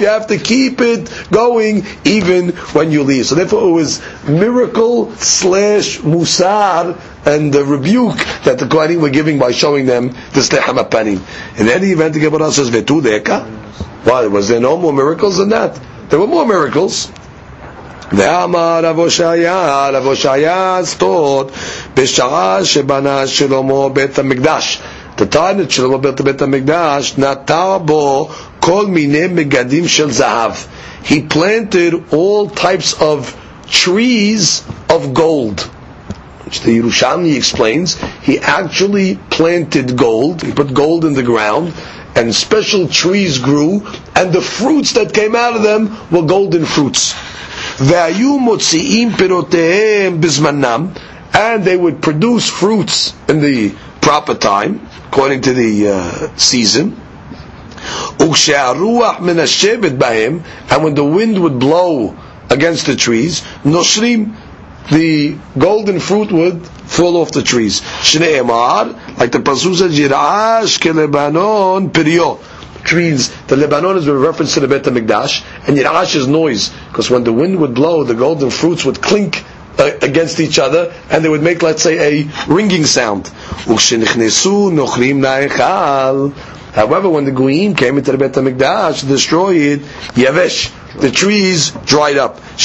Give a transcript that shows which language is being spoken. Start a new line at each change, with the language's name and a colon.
English: You have to keep it going even when you leave. So therefore it was miracle / musar and the rebuke that the Kohanim were giving by showing them this lechem apanim. In any event, the Gemara says, V'tu deka. Why, was there no more miracles than that? There were more miracles.
Hebrew: ואמר רב הושעיה, רב הושעיה סתות, בשעה שבנה שלמה בית המקדש. תתן את שלמה בית המקדש, נטע בו כל מיני מגדים של זהב.
English: He planted all types of trees of gold. Which the Yerushalmi explains, he actually planted gold, he put gold in the ground, and special trees grew, and the fruits that came out of them were golden fruits.
Hebrew: והיו מוציאים פירותיהם בזמנם,
English: and they would produce fruits in the proper time, according to the season.
Hebrew: וכשהרוח מנשבת בהם,
English: and when the wind would blow against the trees,
Hebrew: נושרים,
English: the golden fruit would fall off the trees.
Hebrew: שנאמר,
English: like the
Hebrew: פסוק says, ירעש כלבנון פריו.
English: Trees, the Lebanon is a reference to the Beit HaMikdash, and Yirash is noise, because when the wind would blow, the golden fruits would clink against each other, and they would make, let's say, a ringing sound. However, when the Goyim came into the Beit HaMikdash to destroy it, Yavesh, the trees dried up.